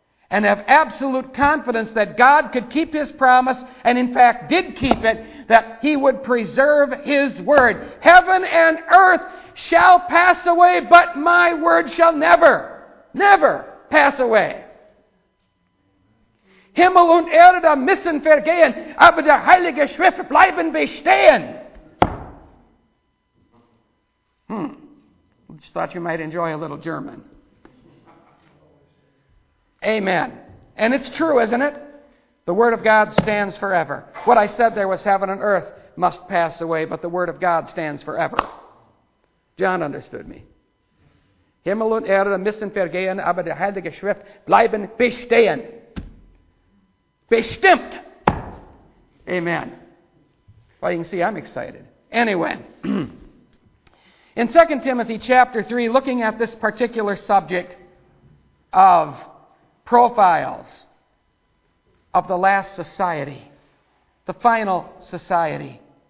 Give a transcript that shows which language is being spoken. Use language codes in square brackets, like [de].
[en] And have absolute confidence that God could keep His promise, and in fact did keep it, that He would preserve His word. "Heaven and earth shall pass away, but my word shall never, never pass away." [de] "Himmel und Erde müssen vergehen, aber der Heilige Schrift bleiben bestehen." [en] I just thought you might enjoy a little German. Amen. And it's true, isn't it? The Word of God stands forever. What I said there was heaven and earth must pass away, but the Word of God stands forever. John understood me. [de] Himmel und Erde müssen vergehen, aber die Heilige Schrift bleiben bestehen. Bestimmt. Amen. [en] Well, you can see I'm excited. Anyway, in 2 Timothy chapter 3, looking at this particular subject of profiles of the last society, the final society.